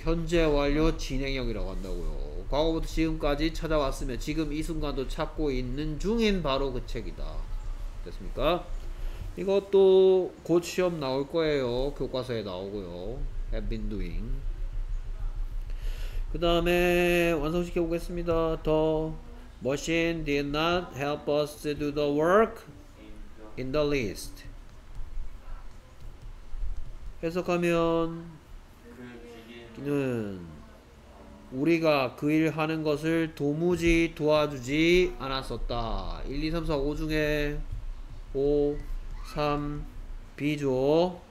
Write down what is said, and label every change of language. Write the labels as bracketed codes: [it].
[ko] 현재 완료 진행형이라고 한다고요. 과거부터 지금까지 찾아왔으면 지금 이 순간도 찾고 있는 중인 바로 그 책이다. 됐습니까? 이것도 곧 시험 나올 거예요. 교과서에 나오고요. [en] Have been doing. [ko] 그 다음에 완성시켜 보겠습니다. [en] The machine did not help us to do the work in the least. [ko] 해석하면 기능은 우리가 그 일 하는 것을 도무지 도와주지 않았었다. 1, 2, 3, 4, 5 중에 5, 3, B죠.